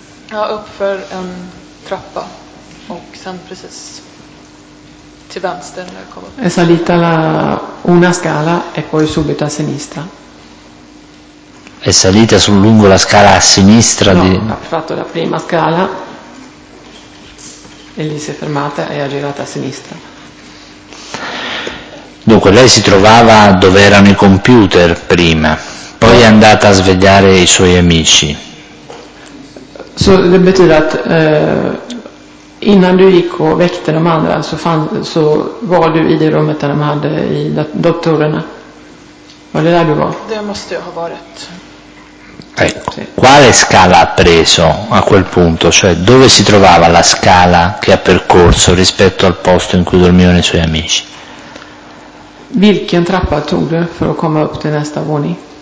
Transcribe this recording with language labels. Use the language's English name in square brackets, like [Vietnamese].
[Swedish] Ja, uppför en trappa och sen precis till vänster när jag kom upp. [Italian] È salita una scala e poi subito a sinistra. È salita sul lungo la scala a sinistra? No, di... ha fatto la prima scala e lì si è fermata e ha girato a sinistra. Dunque, lei si trovava dove erano i computer prima. Poi è andata a svegliare i suoi amici. [Swedish] Så det betyder att innan du gick och väckte de andra så var du i det rummet där de hade i datorerna. Var det där du var? Det måste jag ha varit. [Italian] Ecco. Sì. Quale scala ha preso a quel punto? Cioè, dove si trovava la scala che ha percorso rispetto al posto in cui dormivano i suoi amici? [Swedish] Vilken trappa tog du för att komma upp till nästa våning?